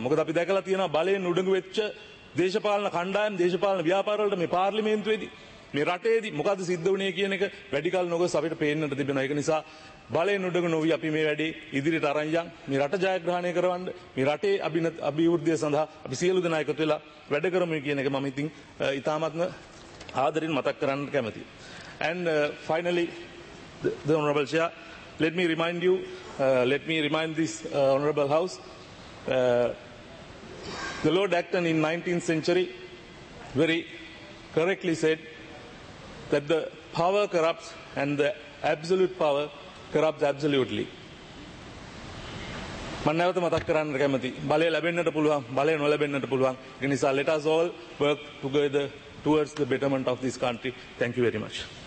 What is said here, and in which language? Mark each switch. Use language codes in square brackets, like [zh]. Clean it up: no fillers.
[si] මොකද අපි දැකලා තියෙනවා බලෙන් උඩඟු වෙච්ච දේශපාලන කණ්ඩායම් දේශපාලන ව්‍යාපාරවලට මේ පාර්ලිමේන්තුවේදී මේ රටේදී මොකද සිද්ධ වුණේ කියන එක වැඩිකල් නොගොස් අපිට පේන්නට තිබෙනවා. ඒක නිසා බලෙන් උඩඟු නොවි අපි මේ වැඩේ ඉදිරියට අරන් යන් මේ රට ජයග්‍රහණය කරවන්න, මේ රටේ අභිවෘද්ධිය සඳහා අපි සියලු දෙනා එකතු වෙලා වැඩ කරමු කියන එක මම ඉතින් ඉතාමත්ම ආදරෙන් මතක් කරන්න කැමතියි. [en] And finally, the honorable chair, let me remind you, let me remind this honorable house, the Lord Acton in 19th century very correctly said that the power corrupts and the absolute power corrupts absolutely. [si] මම නැවත මතක් කරන්න කැමති, බලය ලැබෙන්නට පුළුවන්, බලය නොලැබෙන්නට පුළුවන්. ඒ නිසා [en] let us all work together towards the betterment of this country. Thank you very much.